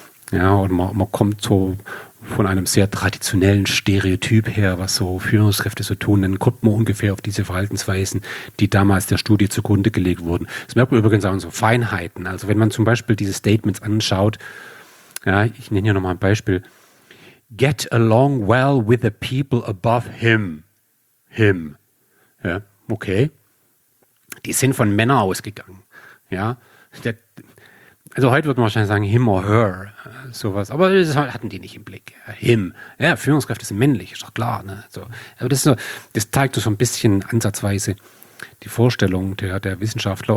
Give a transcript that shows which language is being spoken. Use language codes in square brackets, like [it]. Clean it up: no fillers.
[de] Ja, und man kommt so von einem sehr traditionellen Stereotyp her, was so Führungskräfte so tun, dann kommt man ungefähr auf diese Verhaltensweisen, die damals der Studie zugrunde gelegt wurden. Das merkt man übrigens auch in so Feinheiten. Also wenn man zum Beispiel diese Statements anschaut, ja, ich nenne hier nochmal ein Beispiel. [en] Get along well with the people above him. Him. [de] Ja, okay. Die sind von Männern ausgegangen. Ja. Also heute würde man wahrscheinlich sagen [en] him or her. [de] Sowas. Aber das hatten die nicht im Blick. Him. Ja, Führungskräfte sind männlich, ist doch klar. Ne? So. Aber das ist so, das zeigt so ein bisschen ansatzweise die Vorstellung der Wissenschaftler.